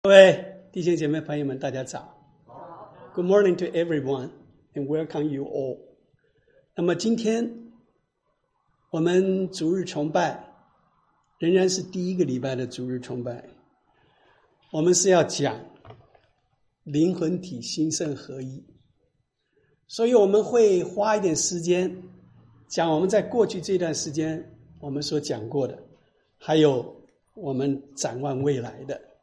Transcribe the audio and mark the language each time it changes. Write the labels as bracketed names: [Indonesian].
[Chinese] 各位弟兄姐妹朋友们，大家早。 [English] Good morning to everyone, and welcome you all. [Chinese] 那么今天我们主日崇拜仍然是第一个礼拜的主日崇拜，我们是要讲灵魂体心圣合一，所以我们会花一点时间讲我们在过去这段时间我们所讲过的，还有我们展望未来的。